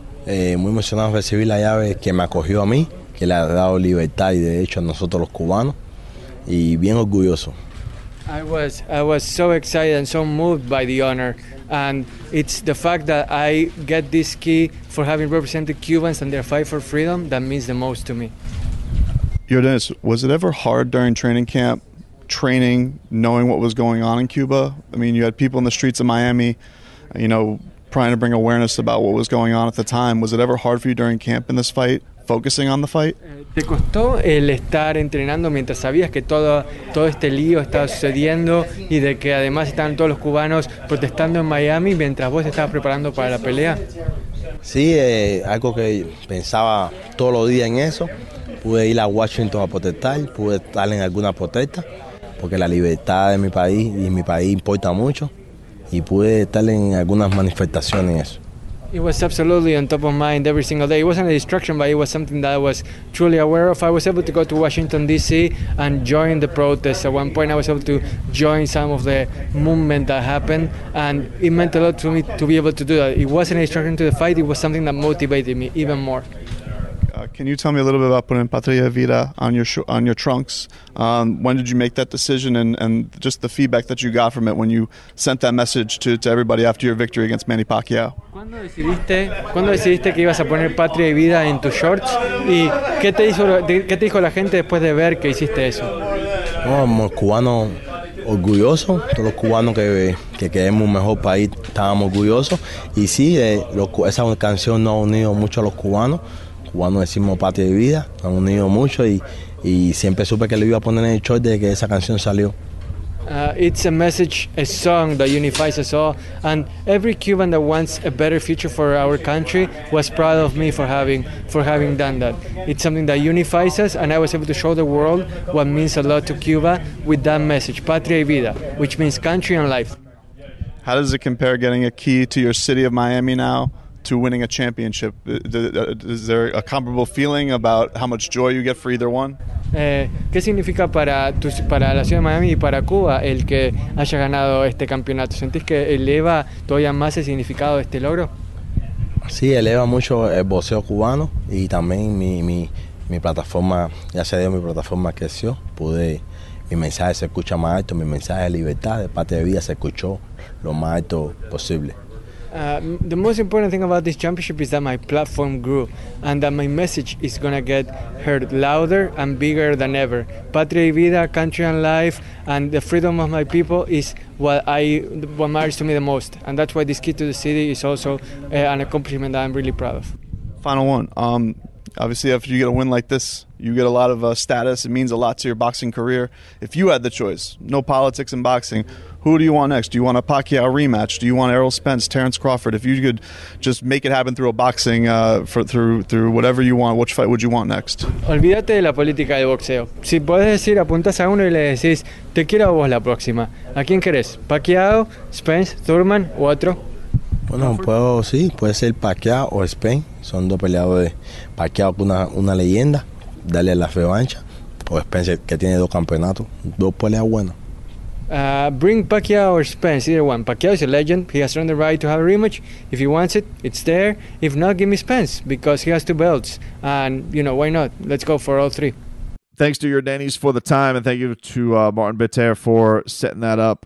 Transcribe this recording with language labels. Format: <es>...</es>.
<es>Muy emocionado recibir la llave que me acogió a mí, que le ha dado libertad y derecho a nosotros los cubanos, y bien orgulloso.</es> <en>I was so excited and so moved by the honor, and it's the fact that I get this key for having represented Cubans and their fight for freedom that means the most to me. Yordanis, was it ever hard during training camp, training, knowing what was going on in Cuba? I mean, you had people in the streets of Miami, you know, trying to bring awareness about what was going on at the time. Was it ever hard for you during camp in this fight, focusing on the fight?</en> <es>¿Te costó el estar entrenando mientras sabías que todo este lío estaba sucediendo y de que además estaban todos los cubanos protestando en Miami mientras vos estabas preparando para la pelea? Sí, algo que pensaba todos los días en eso. Pude ir a Washington a protestar, pude estar en alguna protesta, porque la libertad de mi país y mi país importa mucho, y pude estar en algunas manifestaciones en eso.</es> <en>It was absolutely on top of mind every single day. It wasn't a distraction, but it was something that I was truly aware of. I was able to go to Washington, D.C. and join the protests. At one point, I was able to join some of the movement that happened, and it meant a lot to me to be able to do that. It wasn't a distraction to the fight. It was something that motivated me even more. Can you tell me a little bit about putting Patria Vida on your trunks? When did you make that decision, and just the feedback that you got from it when you sent that message to everybody after your victory against Manny Pacquiao?</en> <es>¿Cuándo decidiste que ibas a poner Patria y Vida en tus shorts? ¿Y qué te dijo la gente después de ver que hiciste eso? Somos cubanos orgullosos, todos los cubanos que queremos un mejor país, estábamos orgullosos. Y sí, esa canción nos ha unido mucho a los cubanos. Cuando decimos Patria y Vida, han unido mucho y siempre supe que le iba a poner en el short desde que esa canción salió.</es> <en>It's a message, a song that unifies us all, and every Cuban that wants a better future for our country was proud of me for having done that. It's something that unifies us, and I was able to show the world what means a lot to Cuba with that message, Patria y Vida, which means country and life. How does it compare getting a key to your city of Miami now to winning a championship? Is there a comparable feeling about how much joy you get for either one?</en> <es>¿Qué significa para la ciudad de Miami y para Cuba el que haya ganado este campeonato? ¿Sentís que eleva todavía más el significado de este logro? Sí, eleva mucho el boxeo cubano y también mi mi plataforma, ya se dio mi plataforma creció, pude, mi mensaje se escucha más alto, mi mensaje de libertad, de parte de vida se escuchó lo más alto posible.</es> <en>The most important thing about this championship is that my platform grew and that my message is going to get heard louder and bigger than ever. Patria y vida, country and life, and the freedom of my people is what matters to me the most. And that's why this key to the city is also an accomplishment that I'm really proud of. Final one. Obviously, if you get a win like this, you get a lot of status. It means a lot to your boxing career. If you had the choice, no politics in boxing, who do you want next? Do you want a Pacquiao rematch? Do you want Errol Spence, Terrence Crawford? If you could just make it happen through a boxing, through whatever you want, which fight would you want next?</en> <es>Olvídate de la política de boxeo. Si puedes decir, apuntas a uno y le decís, te quiero a vos la próxima. ¿A quién querés? ¿Pacquiao, Spence, Thurman u otro? Bueno, puede ser Pacquiao o Spence. Son dos peleadores. Pacquiao con una leyenda, dale la revancha. O Spence, que tiene dos campeonatos, dos peleas buenas.</es> <en>Bring Pacquiao or Spence, either one. Pacquiao is a legend. He has earned the right to have a rematch. If he wants it, it's there. If not, give me Spence, because he has two belts. And, you know, why not? Let's go for all three. Thanks to your Danny's for the time, and thank you to Martin Bitter for setting that up.</en>